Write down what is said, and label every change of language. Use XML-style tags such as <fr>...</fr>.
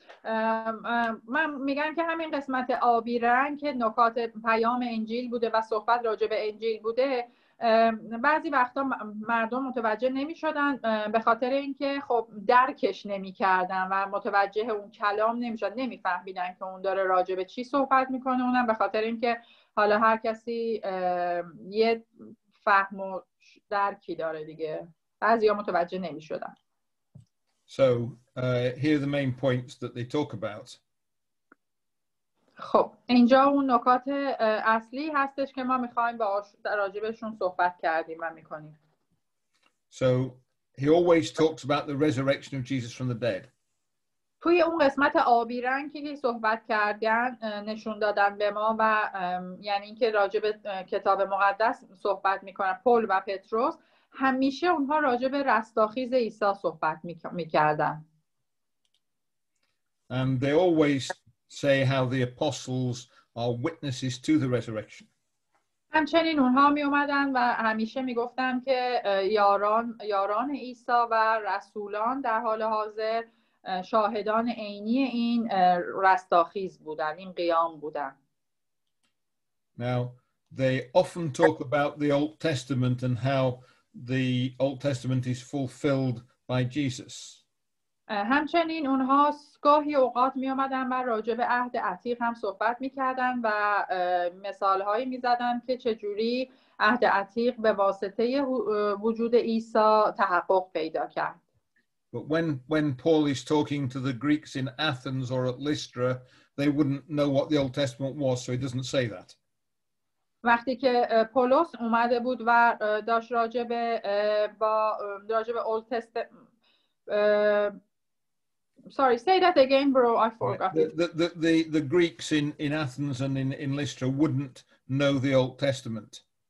<fa>من میگم که همین قسمت آبی رنگ که نکات پیام انجیل بوده و صحبت راجع به انجیل بوده بعضی وقتا مردم متوجه نمی شدن به خاطر اینکه خب درکش نمی کردن و متوجه اون کلام نمی شدن نمی فهمیدن که اون داره راجع به چی صحبت میکنه اونم به خاطر اینکه حالا هر کسی یه فهم و درکی داره دیگه بعضی ها متوجه نمی شدن.</fa> <en>So here are the main points that they talk about.</en> <fa>خب اینجا اون نکات اصلی هستش که ما می‌خوایم راجبشون صحبت کردیم و می‌کنیم.</fa> <en>So he always talks about the resurrection of Jesus from the dead.</en> <fa>توی اون قسمت آبی رنگ که صحبت کردن نشون دادن به ما و یعنی اینکه راجب کتاب مقدس صحبت می‌کنن پل و پتروس همیشه اونها راجب رستاخیز عیسی صحبت می‌کردن.</fa> <en>And they always say how the apostles are witnesses to the resurrection.</en> <fa>همچنین اونها می اومدن و همیشه می گفتن که یاران عیسی و رسولان در حال حاضر شاهدان عینی این رستاخیز بودن، این قیام بودن.</fa> <en>Now, they often talk about the Old Testament and how the Old Testament is fulfilled by Jesus.</en> <fa>همچنین اونها گاهی اوقات می اومدن و راجع به عهد عتیق هم صحبت میکردن و مثال هایی میزدن که چجوری عهد عتیق به واسطه وجود عیسی تحقق پیدا کرد.</fa> <en>But when Paul is talking to the Greeks in Athens or at Lystra, they wouldn't know what the Old Testament was, so he doesn't say that.</en> <fa>وقتی که پولس اومده بود و داشت راجع به Old Testament</fa> <en>sorry, say that again, bro. I forgot. The Greeks in Athens and in Lystra wouldn't know the Old Testament.</en>